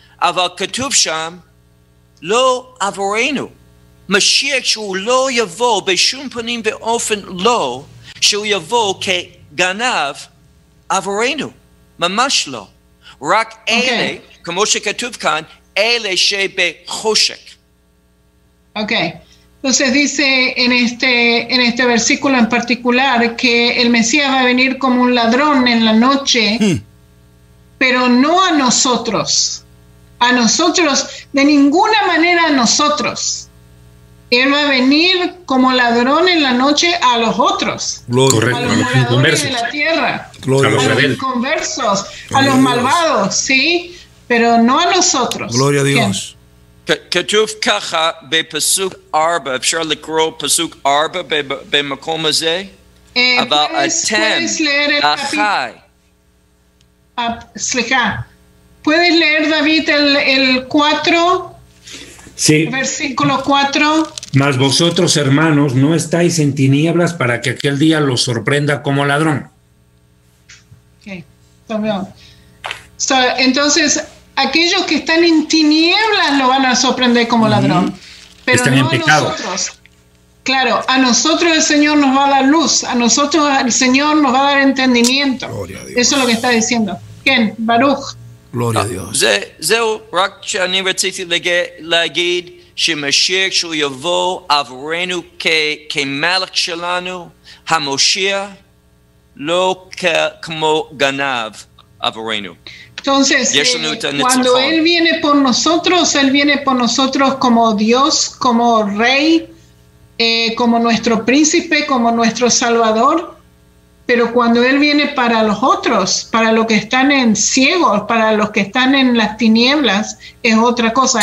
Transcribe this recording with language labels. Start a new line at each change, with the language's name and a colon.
Hebrew: Aval ketuv sham lo avoreinu. משיח שהוא לא יבוא בשום פנים ואופן לא, שהוא יבוא כגנב עבורנו, ממש לא. רק אלה, okay. כמו שכתוב כאן, אלה שבחושק.
English: Okay.
Spanish: Entonces dice en este versículo en particular que el Mesías va a venir como un ladrón en la noche, pero no a nosotros. A nosotros, de ninguna manera a nosotros. Él va a venir como ladrón en la noche a los otros, correcto, a los moradores de la tierra, gloria, a los inconversos, a los malvados, sí, pero no a nosotros. Gloria a Dios.
Hebrew: כתוב ככה בפסוק 4, אפשר לקרוא פסוק 4 במקום הזה? אבל אתם, אחי.
Spanish: ¿Puedes leer, David, el 4? Sí. Versículo 4. Mas vosotros, hermanos, no estáis en tinieblas para que aquel día los sorprenda como ladrón. Okay. So, entonces, aquellos que están en tinieblas lo van a sorprender como ladrón. Pero están no en a pecado. Nosotros. Claro, a nosotros el Señor nos va a dar luz. A nosotros el Señor nos va a dar entendimiento. Gloria a Dios. Eso es lo que está diciendo. ¿Quién? Baruch. Gloria a Dios.
Hebrew: זהו, רק שאני רציתי להגיד שמשיח שהוא יבוא עבורנו כמלך שלנו, המושיע, לא כמו גנב עבורנו.
Spanish: Entonces, cuando Él viene por nosotros, Él viene por nosotros como Dios, como Rey, como nuestro Príncipe, como nuestro Salvador. Pero cuando Él viene para los otros, para los que están en ciegos, para los que están en las tinieblas, es otra cosa.